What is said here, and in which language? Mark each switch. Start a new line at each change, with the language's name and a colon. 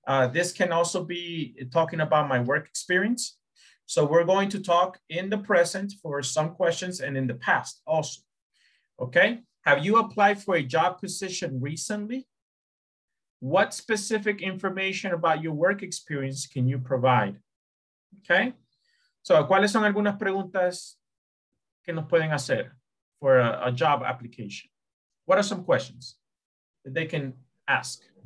English: This can also be talking about my work experience. So we're going to talk in the present for some questions and in the past also, okay? Have you applied for a job position recently? What specific information about your work experience can you provide?
Spanish: Okay, so ¿cuáles son algunas preguntas que nos pueden hacer
English: for a job application? What are some questions that they can ask?